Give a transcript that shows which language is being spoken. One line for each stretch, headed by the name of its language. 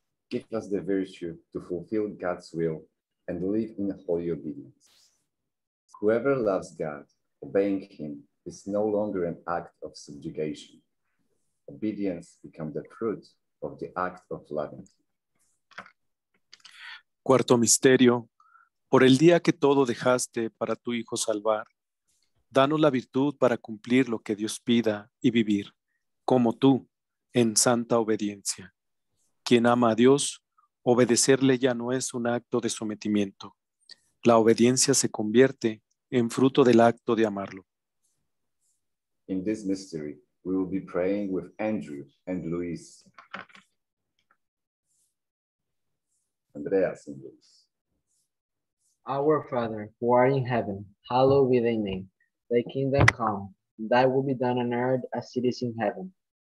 English: give us the virtue to fulfill God's will and live in holy obedience. Whoever loves God, obeying him, is no longer an act of subjugation. Obedience becomes the fruit of the act of loving.
Spanish: Cuarto misterio, por el día que todo dejaste para tu Hijo salvar, danos la virtud para cumplir lo que Dios pida y vivir, como tú, en santa obediencia. Quien ama a Dios, obedecerle ya no es un acto de sometimiento. La obediencia se convierte en fruto del acto de amarlo.
English: In this mystery, we will be praying with Andrew and Luis. Andreas and Luis. Our Father, who art in heaven, hallowed be thy name. Thy kingdom come, thy will be done on earth as it is in heaven.